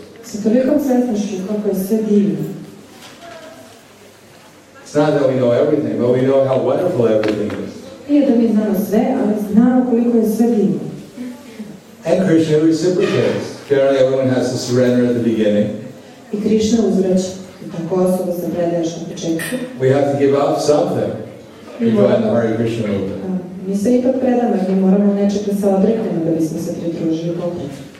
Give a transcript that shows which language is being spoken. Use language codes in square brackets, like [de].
[sr] Sa tolikom svesnošću kako je sve divno. [en] It's not that we know everything, but we know how wonderful everything is. [sr] Nije da mi znamo sve, ali znamo koliko je sve divno. [en] And Krishna reciprocates. Generally, everyone has to surrender at the beginning. [sr] I Krishna uzvraća. Tako osoba se predaje još na početku. [en] We have to give up something. We go in the Hare Krishna movement. [sr] Mi se ipak predamo, mi moramo nečeg da se odreknemo da bismo se pridružili pokretu.